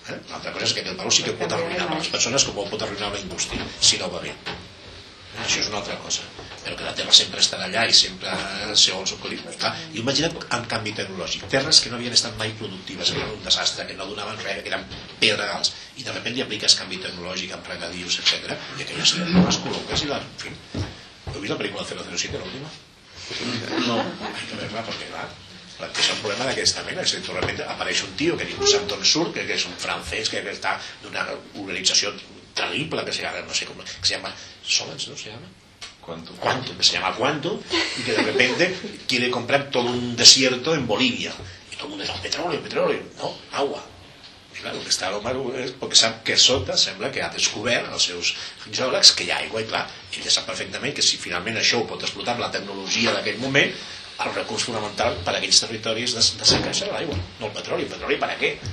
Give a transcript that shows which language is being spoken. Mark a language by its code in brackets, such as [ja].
[ca] L'altra cosa és que aquest valor sí que pot arruinar les persones com ho pot arruinar la indústria, si no va bé. Això és una altra cosa. Però que la terra sempre estarà allà i sempre segons el col·lí. I imagina't en canvi tecnològic. Terres que no havien estat mai productives, que eren un desastre, que no donaven res, que eren pedregals, i [es] de repente [ca] li apliques canvi tecnològic amb regadius, etc. I aquelles terres col·loques i en fi... [es] ¿Tú viste la película 007, la última? No. Hay que verla porque, claro, [ca] planteja un problema [es] de esta manera. Es que de repente aparece un tío que [ca] ningú sap d'on surt, [es] que es un francés, que está de una organización terrible, que se llama, no sé cómo, que se llama Solens, ¿no se llama? Quantum. Que se llama Quantum, y que de repente quiere comprar todo un desierto en Bolivia. Y todo el mundo dice, petróleo, petróleo. No, agua. [ca] clar, el que està a l'home és perquè sap que sota sembla que ha descobert els seus geòlegs que hi ha aigua, i clar, ell ja sap perfectament que si finalment això ho pot explotar amb la tecnologia d'aquell moment, el recurs fonamental per a aquells territoris de secar serà l'aigua, no el petroli. El petroli per a què?